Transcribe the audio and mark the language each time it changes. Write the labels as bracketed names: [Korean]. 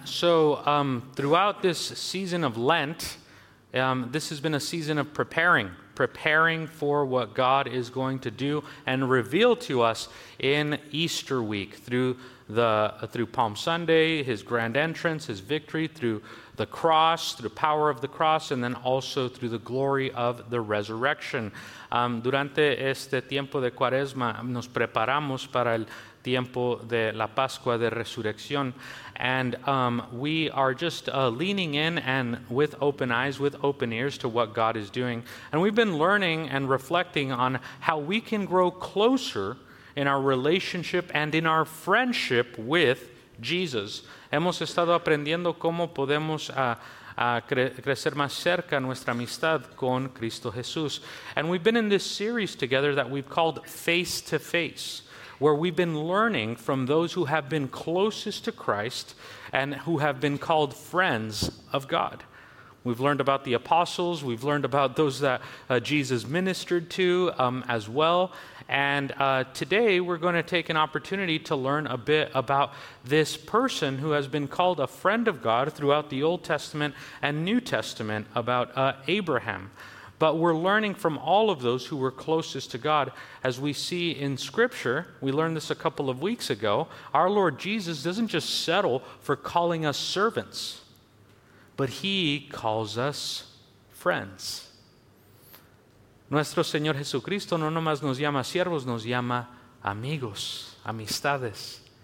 [English] So throughout this season of Lent, this has been a season of preparing for what God is going to do and reveal to us in Easter week through Palm Sunday, his grand entrance, his victory, through the cross, through the power of the cross, and then also through the glory of the resurrection. [Spanish] Durante este tiempo de Cuaresma, nos preparamos para el tiempo de la Pascua de Resurrección. [English] And we are just leaning in and with open eyes, with open ears to what God is doing. And we've been learning and reflecting on how we can grow closer in our relationship and in our friendship with Jesus. [Spanish] Hemos estado aprendiendo cómo podemos crecer más cerca nuestra amistad con Cristo Jesús. [English] And we've been in this series together that we've called Face to Face, where we've been learning from those who have been closest to Christ and who have been called friends of God. We've learned about the apostles. We've learned about those that Jesus ministered to as well. And today we're going to take an opportunity to learn a bit about this person who has been called a friend of God throughout the Old Testament and New Testament, about Abraham. But we're learning from all of those who were closest to God. As we see in Scripture, we learned this a couple of weeks ago, our Lord Jesus doesn't just settle for calling us servants, but he calls us friends. [Spanish] Nuestro Señor Jesucristo no nomás nos llama siervos, nos llama amigos, amistades.